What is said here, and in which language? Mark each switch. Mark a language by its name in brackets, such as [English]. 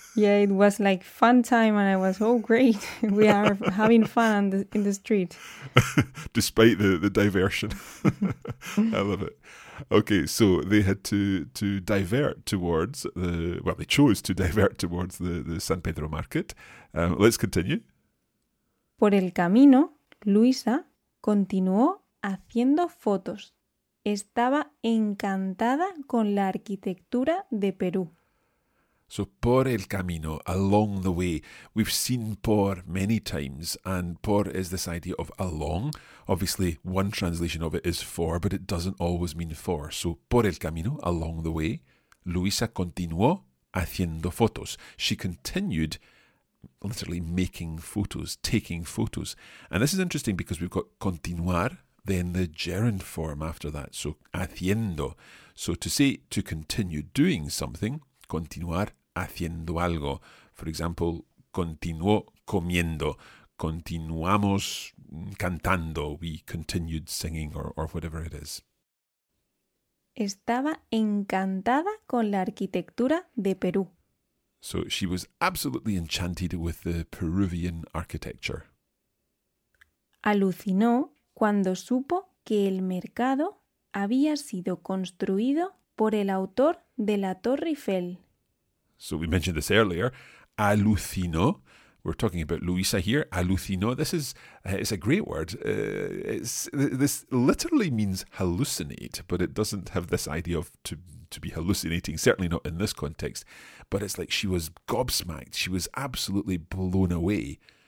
[English] Yeah, it was like fun time and I was, oh, great. We are having fun in the street. Despite the diversion. I love it. Okay, so they had to divert towards the, well, they chose to divert towards the San Pedro market. Let's continue. [Spanish] Por el camino, Luisa continuó haciendo fotos. Estaba encantada con la arquitectura de Perú. [English] So, [Spanish] por el camino, [English] along the way. We've seen por many times, and por is this idea of along. Obviously, one translation of it is for, but it doesn't always mean for. So, [Spanish] por el camino, [English] along the way, [Spanish] Luisa continuó haciendo fotos. [English] She continued literally making photos, taking photos. And this is interesting because we've got continuar, then the gerund form after that. So, haciendo. So, to say to continue doing something, [Spanish] continuar haciendo algo. [English] For example, [Spanish] continuó comiendo, continuamos cantando, [English] we continued singing, or whatever it is. [Spanish] Estaba encantada con la arquitectura de Perú. [English] So she was absolutely enchanted with the Peruvian architecture. [Spanish] Alucinó cuando supo que el mercado había sido construido por el autor de la Torre Eiffel. [English] So we mentioned this earlier, alucinó. We're talking about Luisa here. Alucinó, this is it's a great word. This literally means hallucinate, but it doesn't have this idea of to be hallucinating, certainly not in this context. But it's like she was gobsmacked. She was absolutely blown away.